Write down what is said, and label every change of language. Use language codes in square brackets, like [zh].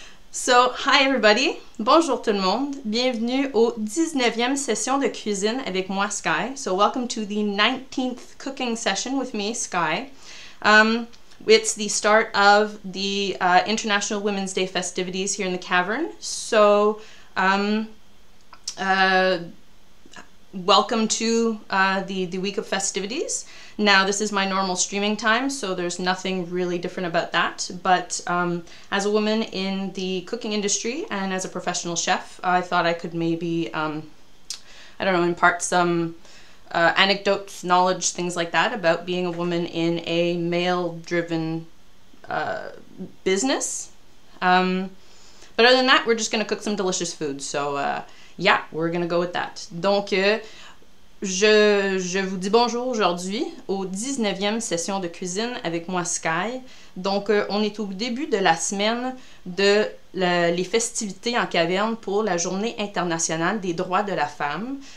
[en] So, hi everybody, [fr] bonjour tout le monde, bienvenue au 19e session de cuisine avec moi, Sky. [en] So, welcome to the 19th cooking session with me, Sky. It's the start of the International Women's Day festivities here in the Cavern. So, welcome to the week of festivities. Now, this is my normal streaming time, so there's nothing really different about that. But as a woman in the cooking industry and as a professional chef, I thought I could maybe, I don't know, impart some anecdotes, knowledge, things like that about being a woman in a male-driven business. But other than that, we're just gonna cook some delicious food. So yeah, we're gonna go with that. [fr] Donc, Je vous dis bonjour aujourd'hui au 19e session de cuisine avec moi, Sky. Donc, on est au début de la semaine de les festivités en caverne pour la Journée internationale des droits de la femme.